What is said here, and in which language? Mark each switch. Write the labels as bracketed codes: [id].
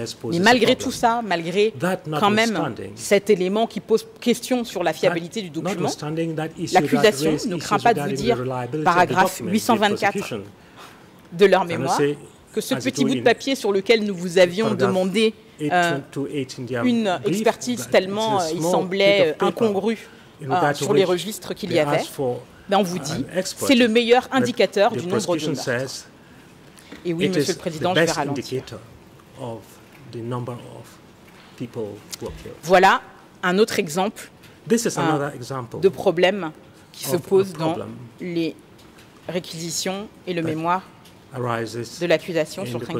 [fr] Mais malgré tout ça, malgré quand même cet élément qui pose question sur la fiabilité du document, l'accusation ne craint pas de vous dire, paragraphe 824 de leur mémoire, que ce petit bout de papier sur lequel nous vous avions demandé une expertise tellement il semblait incongrue sur les registres qu'il y avait, ben on vous dit, c'est le meilleur indicateur du nombre de meurtres. Et oui, Monsieur le Président, je vais ralentir. [en] Of the number of people who are killed. [fr] Voilà un autre exemple de problème qui se pose dans les réquisitions et le mémoire de l'accusation sur crime